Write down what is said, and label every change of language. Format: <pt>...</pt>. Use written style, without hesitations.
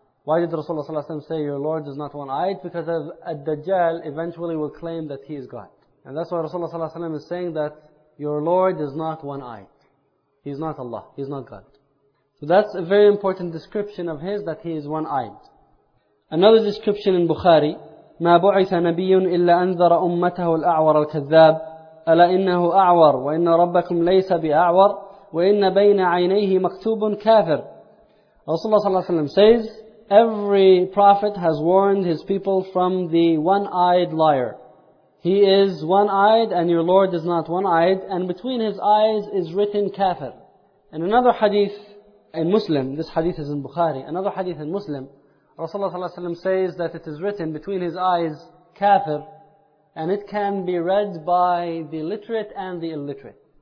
<en>Why did Rasulullah Sallallahu Alaihi Wasallam say your Lord is not one-eyed? Because al-Dajjal eventually will claim that he is God. And that's why Rasulullah Sallallahu Alaihi Wasallam is saying that your Lord is not one-eyed. He's not Allah, he's not God. So that's a very important description of his, that he is one-eyed. Another description in Bukhari,</en> <ar>مَا بُعِثَ نَبِيٌ إِلَّا أَنذَرَ أُمَّتَهُ الْأَعْوَرَ الْكَذَّابِ أَلَا إِنَّهُ أَعْوَرْ وَإِنَّ رَبَّكُمْ لَيْسَ بِأَعْوَرْ وَإِنَّ بَيْنَ عَيْنَيْهِ مَكْتُوبٌ كَافِرٌ.</ar> <en>Rasulullah Sallallahu Alaihi Wasallam says, every prophet has warned his people from the one-eyed liar. He is one-eyed and your Lord is not one-eyed, and between his eyes is written kafir. In another hadith in Muslim, this hadith is in Bukhari, another hadith in Muslim, Rasulullah Sallallahu Alaihi Wasallam says that it is written between his eyes kafir, and it can be read by the literate and the illiterate.</en>